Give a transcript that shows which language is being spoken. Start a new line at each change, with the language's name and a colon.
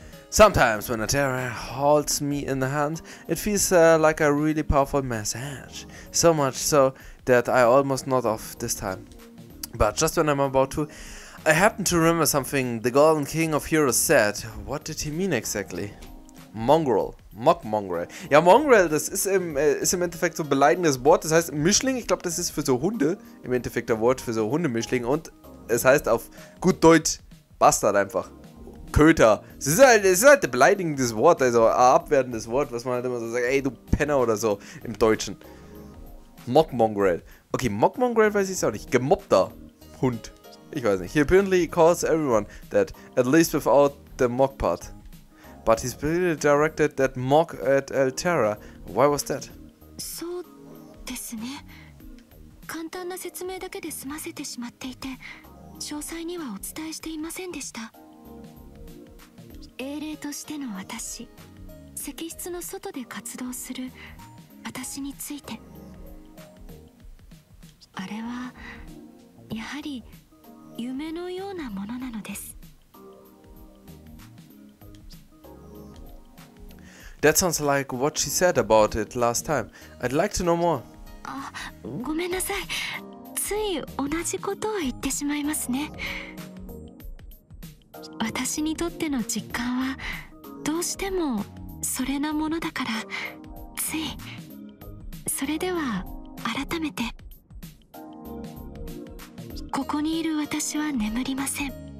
English: Sometimes when a terror holds me in the hand, it feels like a really powerful message. So much so that I almost nod off this time. But just when I'm about to, I happen to remember something the Golden King of Heroes said. What did he mean exactly? Mongrel. Mockmongrel.
German: Ja, Mongrel, das ist im Endeffekt so ein beleidigendes Wort. Das heißt Mischling. Ich glaube, das ist für so Hunde. Im Endeffekt ein Wort für so Hundemischling. Und es heißt auf gut Deutsch Bastard einfach. Köter. Es ist halt ein beleidigendes Wort, also ein abwertendes Wort, was man halt immer so sagt, ey du Penner oder so im Deutschen. Mockmongrel. Okay, Mockmongrel weiß ich es auch nicht. Gemobbter Hund. Ich weiß nicht.
English: He apparently calls everyone that, at least without the mock part. But he's really directed that mock at Altera. Why was that?
Japanese: So, desu ne. 簡単な説明だけで済ませてしまっていて、詳細にはお伝えしていませんでした。英霊としての私、石室の外で活動する私について、あれはやはり夢のようなものなのです。
English: That sounds like what she said about it last time. I'd like to know more.
Japanese: あ、ごめんなさい、つい同じことを言ってしまいますね。私にとっての実感はどうしてもそれなものだから、つい。それでは改めて、ここにいる私は眠りません。